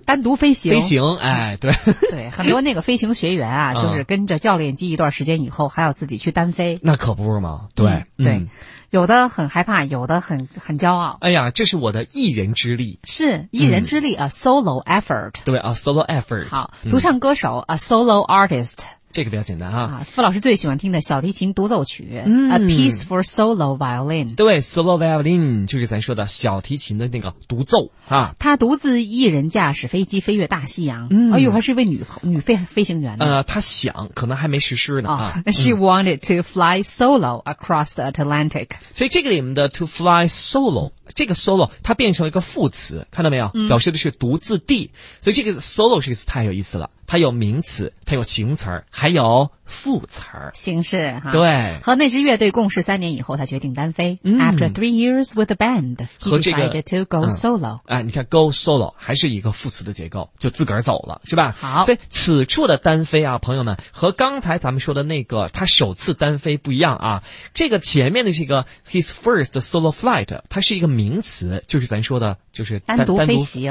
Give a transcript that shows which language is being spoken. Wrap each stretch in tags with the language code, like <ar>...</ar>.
<zh>单独飞行。飞行，哎，对。对，很多那个飞行学员啊，就是跟着教练机一段时间以后，还要自己去单飞。那可不是吗？对，对。有的很害怕，有的很骄傲。哎呀，这是我的一人之力，是一人之力、</zh> <en>solo effort。</en> <zh>对啊 ，</zh> <en>solo effort。</en> <zh>好，独唱歌手、</zh> <en>a solo artist。</en> <zh>这个比较简单哈、傅老师最喜欢听的小提琴独奏曲、</zh> <en>a piece for solo violin。</en> <zh>对 ，solo violin 就是咱说的小提琴的那个独奏啊。他独自一人驾驶飞机飞越大西洋。嗯、哎呦，还是一位女飞行员呢。他想，可能还没实施呢、</zh> <en>She wanted to fly solo across the Atlantic。</en> <zh>所以这个里面的</zh> <en>to fly solo。</en> <zh>这个 solo 它变成一个副词，看到没有？表示的是独自地，所以这个 solo 这个词太有意思了，它有名词，它有形词，还有副词形式哈。对，和那支乐队共事三年以后，他决定单飞。</zh> <en>After 3 years with the band, he decided to go solo。</en> <zh>哎，你看 go solo 还是一个副词的结构，就自个儿走了，是吧？好，所以此处的单飞啊，朋友们，和刚才咱们说的那个他首次单飞不一样啊。这个前面的这个</zh> <en>his first solo flight，</en> <zh>它是一个名词，就是咱说的就是单独飞行。</zh>